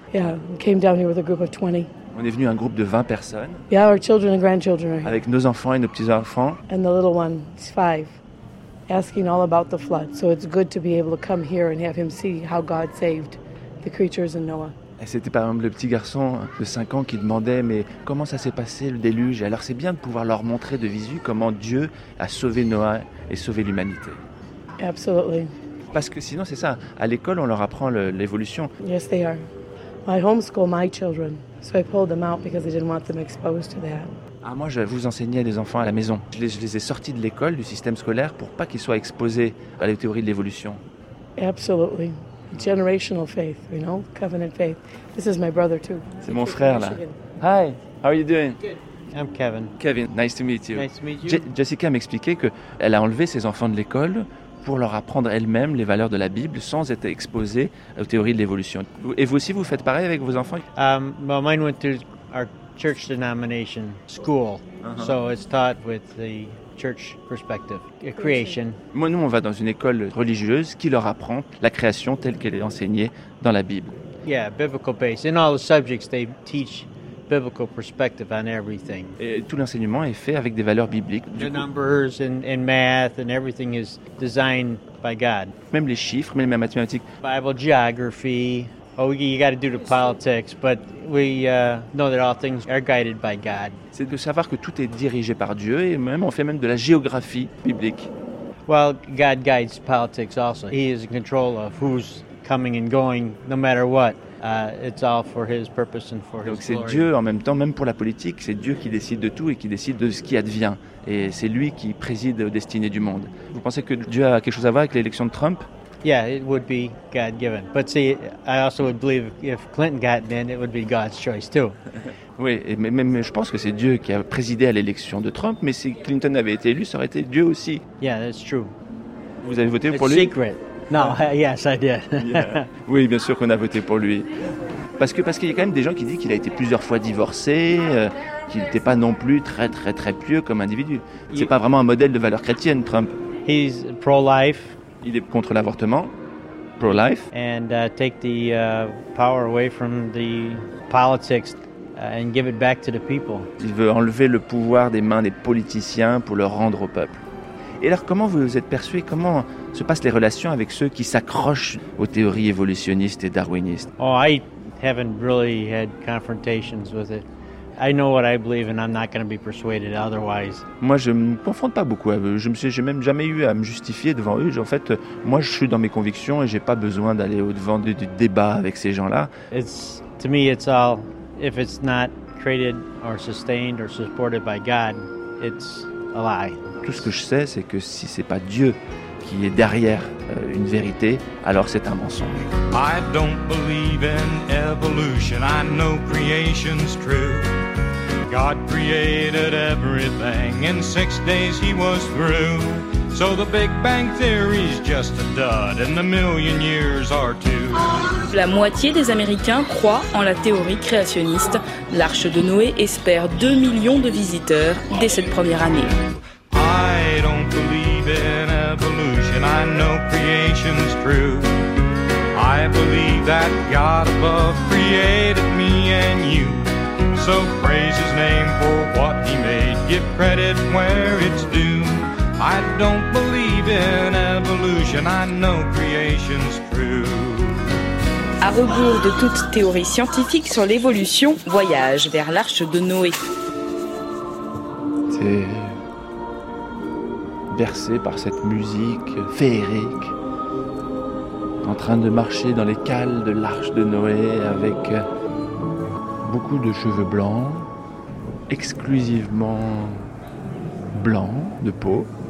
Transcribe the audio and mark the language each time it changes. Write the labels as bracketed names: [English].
[English] Yeah, we came down here with a group of 20. [French] On est venu un groupe de 20 personnes. [English] Yeah, our children and grandchildren. [French] Avec nos enfants et nos petits-enfants. [English] And the little one, he's 5. Asking all about the flood, so it's good to be able to come here and have him see how God saved the creatures and Noah. [French] Et c'était par exemple le petit garçon de 5 ans qui demandait, mais comment ça s'est passé le déluge? Alors c'est bien de pouvoir leur montrer de visu comment Dieu a sauvé Noah et sauvé l'humanité. [English] Absolutely. [French] Parce que sinon, c'est ça, à l'école, on leur apprend l'évolution. [English] Yes, they are. I homeschool my children, so I pulled them out because I didn't want them exposed to that. [French] Ah, moi, je vous enseignais les enfants à la maison. Je les ai sortis de l'école, du système scolaire, pour pas qu'ils soient exposés à les théories de l'évolution. [English] Absolutely. Generational faith, you know, covenant faith. This is my brother too. [French] C'est mon frère là. [English] Hi, how are you doing? Good. I'm Kevin. Kevin, nice to meet you. Nice to meet you. [French] Jessica m'expliquait qu'elle a enlevé ses enfants de l'école pour leur apprendre elle-même les valeurs de la Bible sans être exposée aux théories de l'évolution. Et vous aussi, vous faites pareil avec vos enfants? [English] Well, mine went to our church denomination school, so it's taught with the church perspective, creation. [French] Moi, nous, on va dans une école religieuse qui leur apprend la création telle qu'elle est enseignée dans la Bible. [English] Yeah, biblical base. In all the subjects, they teach biblical perspective on everything. [French] Et tout l'enseignement est fait avec des valeurs bibliques. [English] The numbers and math and everything is designed by God. [French] Même les chiffres, même les mathématiques. [English] Bible geography. Oh, you got to do the politics, but we know that all things are guided by God. [French] C'est de savoir que tout est dirigé par Dieu et même on fait même de la géographie biblique. [English] Well, God guides politics also. He is in control of who's coming and going, no matter what. It's all for His purpose and for His glory. [French] Donc c'est Dieu en même temps, même pour la politique, c'est Dieu qui décide de tout et qui décide de ce qui advient. Et c'est lui qui préside aux destinées du monde. Vous pensez que Dieu a quelque chose à voir avec l'élection de Trump? [English] Yeah, it would be God-given. But see, I also would believe if Clinton got in, it would be God's choice too. [French] Oui, mais je pense que c'est Dieu qui a présidé à l'élection de Trump, mais si Clinton avait été élu, ça aurait été Dieu aussi. [English] Yeah, that's true. [French] Vous avez voté [English] it's [French] pour [English] secret. [French] Lui? [English] It's secret. No, yes, I did. Yeah. [French] Oui, bien sûr qu'on a voté pour lui. Parce qu'il y a quand même des gens qui disent qu'il a été plusieurs fois divorcé, qu'il n'était pas non plus très, très, très pieux comme individu. Ce n'est pas vraiment un modèle de valeur chrétienne, Trump. [English] He's pro-life. [French] Il est contre l'avortement, pro-life. [English] And take the power away from the politics and give it back to the people. [French] Il veut enlever le pouvoir des mains des politiciens pour le rendre au peuple. Et alors, comment vous êtes perçu et comment se passent les relations avec ceux qui s'accrochent aux théories évolutionnistes et darwinistes? [English] Oh, I haven't really had confrontations with it. I know what I believe and I'm not going to be persuaded otherwise. [French] Moi je me confronte pas beaucoup. J'ai même jamais eu à me justifier devant eux. En fait, moi je suis dans mes convictions et j'ai pas besoin d'aller au devant du débat avec ces gens-là. [English] It's to me it's all if it's not created or sustained or supported by God, it's a lie. [French] Tout ce que je sais c'est que si c'est pas Dieu qui est derrière une vérité, alors c'est un mensonge. [English] I don't believe in evolution. I know creation's true. God created everything, in 6 days he was through. So the Big Bang Theory's just a dud, and the million years are two. [French] La moitié des Américains croient en la théorie créationniste. L'Arche de Noé espère 2 millions de visiteurs dès cette première année. [English] I don't believe in evolution, I know creation's true. I believe that God above created me and you. So praise his name for what he made, give credit where it's due. I don't believe in evolution, I know creation's true. [French] À rebours de toute théorie scientifique sur l'évolution, voyage vers l'Arche de Noé. T'es bercé par cette musique féerique, en train de marcher dans les cales de l'Arche de Noé avec beaucoup de cheveux blancs, exclusivement blancs de peau.